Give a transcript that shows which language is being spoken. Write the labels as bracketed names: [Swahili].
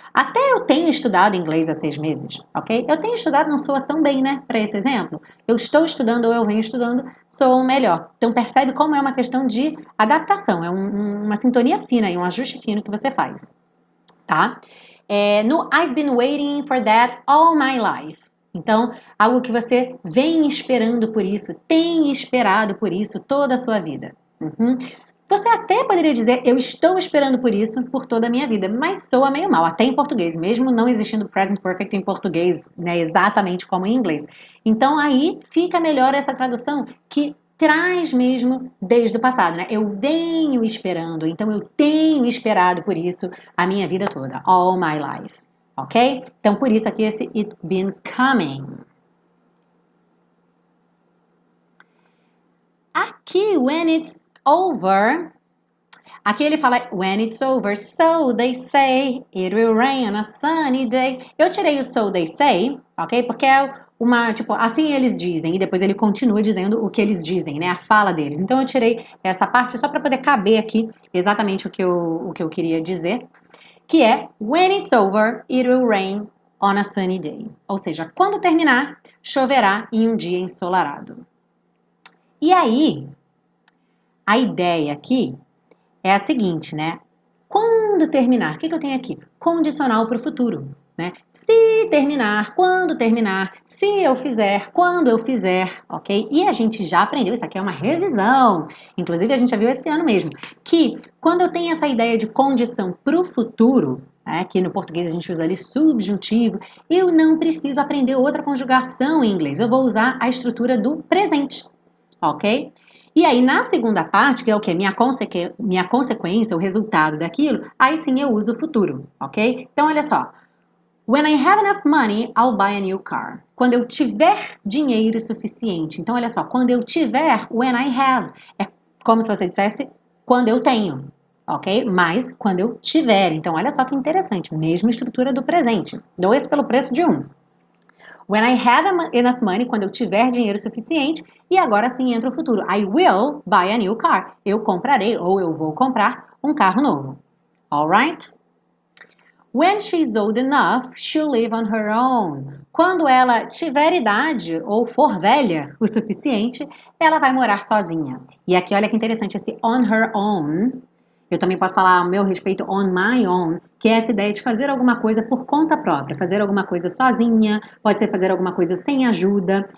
[Portuguese] Até eu tenho estudado inglês há 6 meses, ok? Eu tenho estudado não soa tão bem, né? Para esse exemplo, eu estou estudando ou eu venho estudando soa melhor. Então percebe como é uma questão de adaptação, é uma sintonia fina e um ajuste fino que você faz, tá? [English] No I've been waiting for that all my life. [Portuguese] Então, algo que você vem esperando por isso, tem esperado por isso toda a sua vida. Você até poderia dizer, eu estou esperando por isso por toda a minha vida, mas soa meio mal, até em português, mesmo não existindo present perfect em português, né, exatamente como em inglês. Então, aí fica melhor essa tradução que traz mesmo desde o passado, né? Eu venho esperando, então eu tenho esperado por isso a minha vida toda, [English] all my life. [Portuguese] Ok? Então, por isso aqui esse [English] it's been coming. [Portuguese] Aqui, [English] when it's over, [Portuguese] aqui ele fala [English] when it's over, so they say it will rain on a sunny day. [Portuguese] Eu tirei o [English] so they say, [Portuguese] ok? Porque é uma, tipo, assim eles dizem, e depois ele continua dizendo o que eles dizem, né? A fala deles. Então, eu tirei essa parte só para poder caber aqui exatamente o que eu queria dizer. Que é [English] when it's over, it will rain on a sunny day. [Portuguese] Ou seja, quando terminar, choverá em um dia ensolarado. E aí, a ideia aqui é a seguinte, né? Quando terminar, o que que eu tenho aqui? Condicional para o futuro, né? Se terminar, quando terminar, se eu fizer, quando eu fizer, ok? E a gente já aprendeu, isso aqui é uma revisão. Inclusive, a gente já viu esse ano mesmo, que quando eu tenho essa ideia de condição para o futuro, né, que no português a gente usa ali subjuntivo, eu não preciso aprender outra conjugação em inglês. Eu vou usar a estrutura do presente, ok? E aí, na segunda parte, que é o quê? Minha consequência, o resultado daquilo, aí sim eu uso o futuro, ok? Então, olha só. [English] When I have enough money, I'll buy a new car. [Portuguese] Quando eu tiver dinheiro suficiente. Então, olha só. Quando eu tiver, [English] when I have. [Portuguese] É como se você dissesse quando eu tenho, ok? Mas quando eu tiver. Então, olha só que interessante. Mesma estrutura do presente. Dois pelo preço de um. [English] When I have enough money, [Portuguese] quando eu tiver dinheiro suficiente. E agora sim entra o futuro. [English] I will buy a new car. [Portuguese] Eu comprarei ou eu vou comprar um carro novo. [English] All right? When she's old enough, she'll live on her own. [Portuguese] Quando ela tiver idade ou for velha o suficiente, ela vai morar sozinha. E aqui, olha que interessante, esse [English] on her own. [Portuguese] Eu também posso falar ao meu respeito, [English] on my own, [Portuguese] que é essa ideia de fazer alguma coisa por conta própria, fazer alguma coisa sozinha, pode ser fazer alguma coisa sem ajuda.